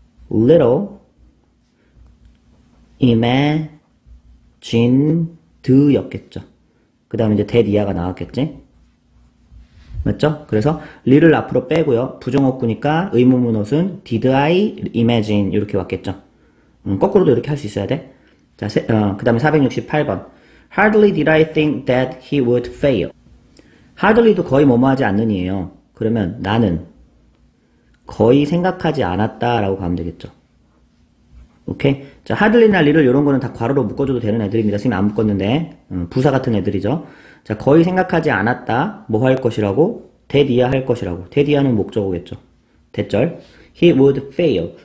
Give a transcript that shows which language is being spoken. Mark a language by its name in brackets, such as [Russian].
[Korean] little imagined였겠죠. 그 다음에 이제 that 이하가 나왔겠지. 맞죠? 그래서 를 앞으로 빼고요. 부정어구니까 의문문 옷은 [English] did I imagine [Korean] 이렇게 왔겠죠? 거꾸로도 이렇게 할수 있어야 돼. 자, 그 다음에 468번. [English] Hardly did I think that he would fail. [Korean] Hardly도 거의 뭐뭐하지 않는이에요. 그러면 나는 거의 생각하지 않았다라고 가면 되겠죠. 오케이. 자, hardly나 little 이런 거는 다 괄호로 묶어줘도 되는 애들입니다. 선생님 안 묶었는데. 부사 같은 애들이죠. 자, 거의 생각하지 않았다. 뭐할 것이라고? that 이하 할 것이라고. that 이하는 목적어겠죠. 대절. [English] He would fail.